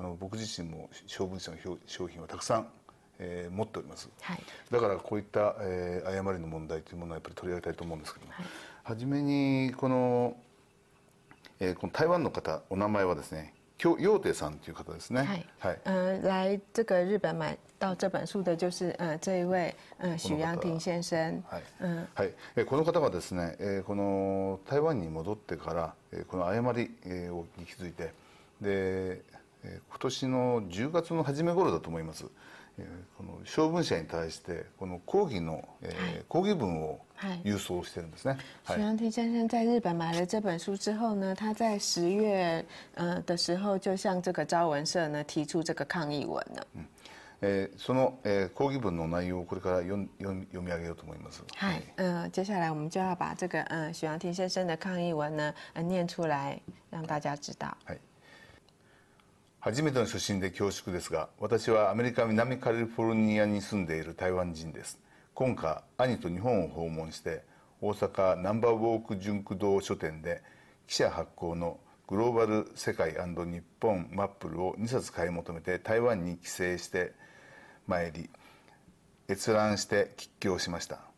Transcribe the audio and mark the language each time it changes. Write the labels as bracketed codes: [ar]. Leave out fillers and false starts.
[ja] 僕自身も小文社の商品はたくさん持っております、はい、だからこういった、誤りの問題というものはやっぱり取り上げたいと思うんですけども、はい、初めにこの台湾の方お名前はですね楊貞さんという方ですね、 [zh] はいはい、来这个日本买到这本书的就是这一位许杨廷先生、 [ja] はいはい、この方がですね、この台湾に戻ってからこの誤りを気づいてで今年の10月の初め頃だと思います、この小文社に対してこの抗議の、抗議文を郵送してるんですね。 [zh] 徐阳廷先生在日本买了这本书之后呢，他在十月的时候就向这个朝文社呢提出这个抗议文了。 [ja] その、抗議文の内容をこれから読み上げようと思います。はい。 [zh] 接下来我们就要把这个徐阳廷先生的抗议文呢念出来，让大家知道。 [ja] はい。初めての初心で恐縮ですが、私はアメリカ南カリフォルニアに住んでいる台湾人です。今夏、兄と日本を訪問して、大阪ナンバーウォークジュンク堂書店で、記者発行のグローバル世界&日本マップルを2冊買い求めて台湾に帰省して参り、閲覧して喫強しました。